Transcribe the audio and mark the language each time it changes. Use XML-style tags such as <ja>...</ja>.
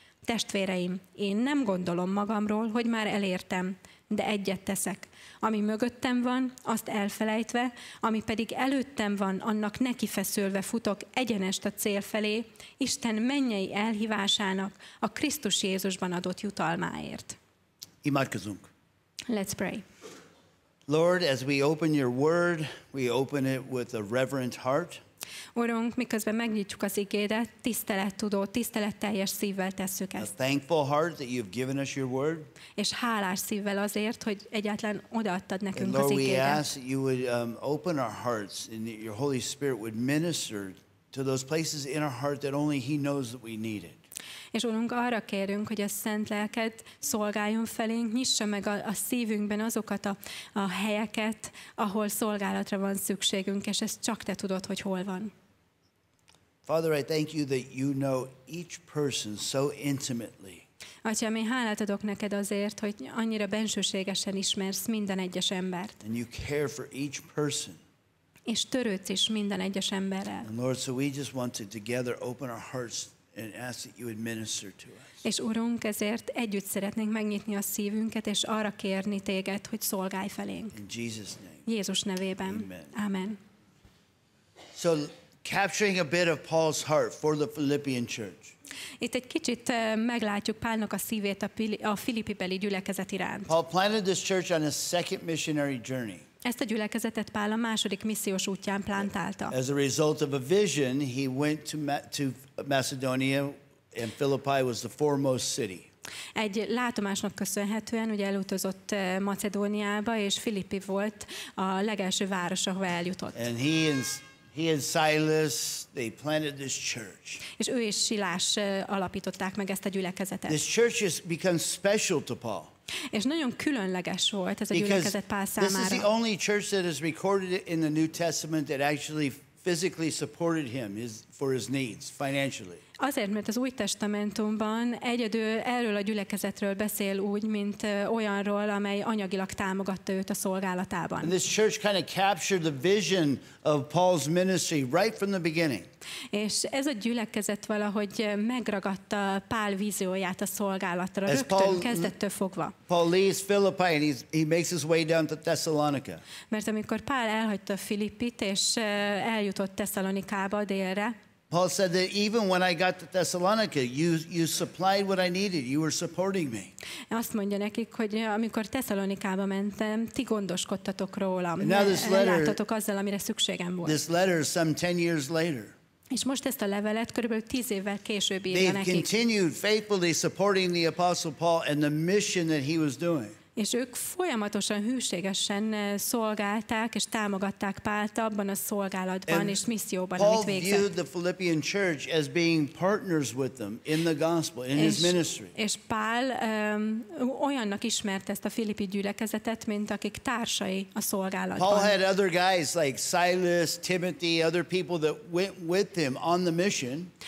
<hu>Testvéreim, én nem gondolom magamról, hogy már elértem, de egyet teszek. Ami mögöttem van, azt elfelejtve, ami pedig előttem van, annak nekifeszülve futok egyenest a cél felé, Isten mennyei elhívásának a Krisztus Jézusban adott jutalmáért. Imádkozunk.</hu> <en>Let's pray. Lord, as we open your word, we open it with a reverent heart.</en> <hu>Urunk, miközben megnyitjuk az igédet, tisztelettudó, tiszteletteljes szívvel tesszük ezt.</hu> <en>A thankful heart that you've given us your word.</en> <hu>És hálás szívvel azért, hogy egyáltalán odaadtad nekünk</hu> <en>and Lord,</en> <hu>az igédet.</hu> <en>We ask that you would open our hearts and that your Holy Spirit would minister to those places in our heart that only he knows that we need it.</en> <hu>És Urunk, arra kérünk, hogy a Szent Lelked szolgáljon felénk, nyissa meg a szívünkben azokat a helyeket, ahol szolgálatra van szükségünk, és ezt csak te tudod, hogy hol van.</hu> <en>Father, I thank you that you know each person so intimately.</en> <hu>Atyám, én hálát adok neked azért, hogy annyira bensőségesen ismersz minden egyes embert.</hu> <en>And you care for each person.</en> <hu>És törődsz is minden egyes emberrel.</hu> <en>And Lord, so we just want to together open our hearts and ask that you would minister to us.</en> <hu>És Urunk, ezért együtt szeretnénk megnyitni a szívünket, és arra kérni téged, hogy szolgálj felénk.</hu> <en>In Jesus' name.</en> <hu>Jézus nevében.</hu> <en>Amen. So, capturing a bit of Paul's heart for the Philippian church.</en> <hu>Itt egy kicsit meglátjuk Pálnak a szívét a filippibeli gyülekezet iránt.</hu> <en>Paul planted this church on his second missionary journey.</en> <hu>Ezt a gyülekezetet Pál a második missziós útján plantálta.</hu> <en>As a result of a vision, he went to Macedonia, and Philippi was the foremost city.</en> <hu>Egy látomásnak köszönhetően, ugye elutazott Macedóniába, és Filippi volt a legelső város, ahova eljutott.</hu> <en>And he and Silas, they planted this church.</en> <hu>És ő és Silás alapították meg ezt a gyülekezetet.</hu> <en>This church has become special to Paul.</en> <hu>És nagyon különleges volt ez a gyülekezet Pál számára.</hu> <en>This is the only church that is recorded in the New Testament that actually physically supported him for his needs financially.</en> <hu>Azért, mert az Új Testamentumban egyedül erről a gyülekezetről beszél úgy, mint olyanról, amely anyagilag támogatta őt a szolgálatában.</hu> <en>And this church kind of captured the vision of Paul's ministry right from the beginning.</en> <hu>És ez a gyülekezet valahogy megragadta Pál vízióját a szolgálatra, rögtön Paul, kezdettől fogva.</hu> <en>Paul leaves Philippi and he makes his way down to Thessalonica.</en> <hu>Mert amikor Pál elhagyta Filippit és eljutott Thessalonikába délre,</hu> <en>Paul said that even when I got to Thessalonica, you supplied what I needed. You were supporting me.</en> <hu>Azt mondja nekik, hogy amikor Thessalonikába mentem, ti gondoskodtatok rólam. Ellátottatok azzal, amire szükségem volt.</hu> <en>This letter some 10 years later.</en> <hu>És most ezt a levelet körülbelül 10 évvel később írja nekik.</hu> <en>They continued faithfully supporting the Apostle Paul and the mission that he was doing.</en> <hu>És ők folyamatosan hűségesen szolgálták és támogatták Pált abban a szolgálatban és misszióban,</hu> <en>Paul</en> <hu>amit végzett.</hu> <en>Viewed the Philippian church as being partners with them in the gospel, in his ministry.</en> <hu>És Pál olyannak ismerte ezt a filippi gyülekezetet, mint akik társai a szolgálatban.</hu> <en>Paul had other guys like Silas, Timothy, other people that went with him on the mission.</en>